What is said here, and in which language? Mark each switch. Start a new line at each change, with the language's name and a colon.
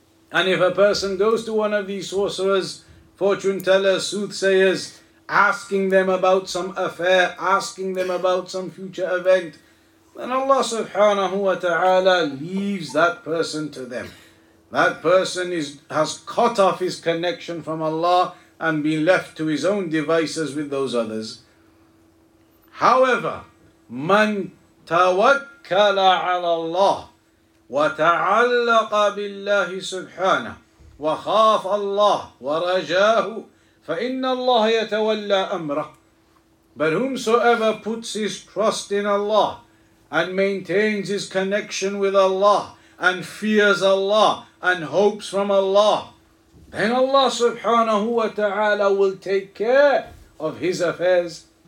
English: And if a person goes to one of these sorcerers, fortune tellers, soothsayers, asking them about some affair, asking them about some future event, then Allah subhanahu wa ta'ala leaves that person to them. That person has cut off his connection from Allah and be left to his own devices with those others. However,
Arabic: من توكل على الله وتعلق بالله سبحانه وخاف الله ورجاه فإن الله يتولى أمره.
English: But whomsoever puts his trust in Allah and maintains his connection with Allah and fears Allah and hopes from Allah, then Allah subhanahu wa ta'ala will take care of his affairs.